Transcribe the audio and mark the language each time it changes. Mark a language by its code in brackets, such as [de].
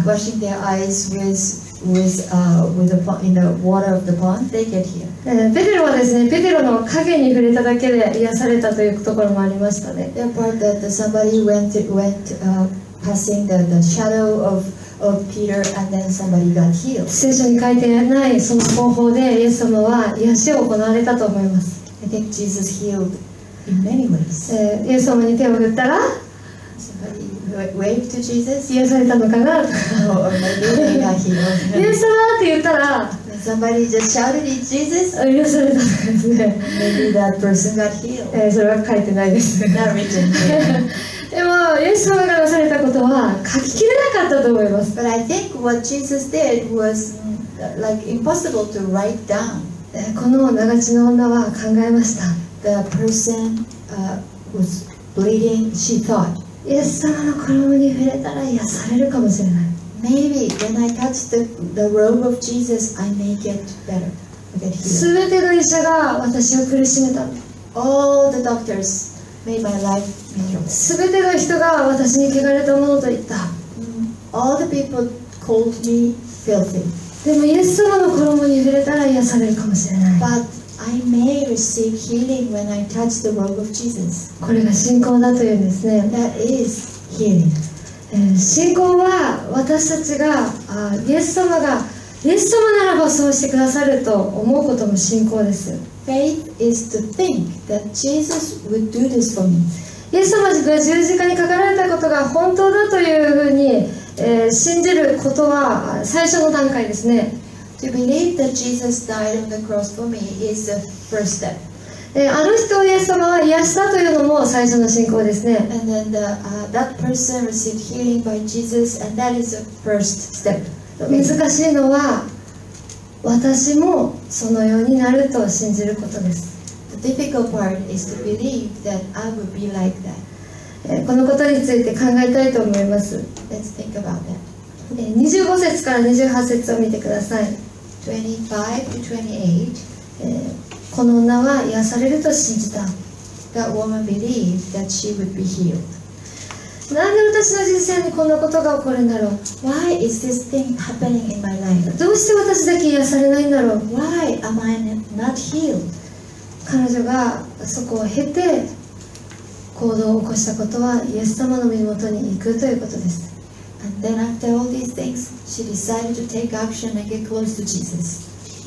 [en] Washing their eyes with in the water of the pond, they get healed. [ja] ペテロはですね、ペテロの影に触れただけで癒されたというところもありましたね。 [en] The part that somebody went passing the shadow of Peter and then somebody got healed. [ja] 聖書に書いてないその方法でイエス様は癒しを行われたと思います。 [en] I think Jesus healed in many ways. [ja] イエス様に手を振ったら、 [en] Somebody waved to Jesus. [ja] 癒されたのかな。 [en] Maybe he got healed. [ja] イエス様って言ったら、 [en] Somebody just shouted in Jesus. [ja] 癒されたのですね。 [en] Maybe that person got healed. [ja] それは書いてないです。 [en] Not written. [ja] でもイエス様がなされたことは書ききれなかったと思います。 [en] But I think what Jesus did was like impossible to write down. [ja] この長血の女は考えました。 [en] The person was bleeding, she thought. [ja] イエス様の衣に触れたら癒されるかもしれない。 [en] Maybe when I touch the robe of Jesus, I may get better. [ja] 全ての医者が私を苦しめた。 [en] All the doctors. Made my life miserable. [ja] 全ての人が私に汚れたものと言った。 [en] All the people called me filthy. [ja] でもイエス様の衣に触れたら癒されるかもしれない。 [en] But I may receive healing when I touch the robe of Jesus. [ja] これが信仰だというんですね。 [en] That is healing. [ja] 信仰は私たちがイエス様がイエス様ならばそうしてくださると思うことも信仰です。 [en] Faith is to think that Jesus would do this for me. [ja] イエス様が十字架にかかられたことが本当だというふうに、信じることは最初の段階ですね。 [en] To believe that Jesus died on the cross for me is the first step. [ja] あの人をイエス様は癒したというのも最初の信仰ですね。 [en] And then that person received healing by Jesus, and that is the first step. [ja] 難しいのは私もそのようになると信じることです。 [en] The difficult part is to believe that I will be like that. [ja] このことについて考えたいと思います。 [en] Let's think about that. [ja] 25節から28節を見てください。 [en] 25-28 [ja] この女は癒されると信じた。 [en] That woman believed that she would be healed. [ja] なんで私の人生にこんなことが起こるんだろう。 [en] Why is this thing happening in my life? [ja] どうして私だけ癒されないんだろう。 [en] Why am I not healed? [ja] 彼女がそこを経て行動を起こしたことはイエス様の身元に行くということです。 [en] And then after all these things, she decided to take action and get close to Jesus.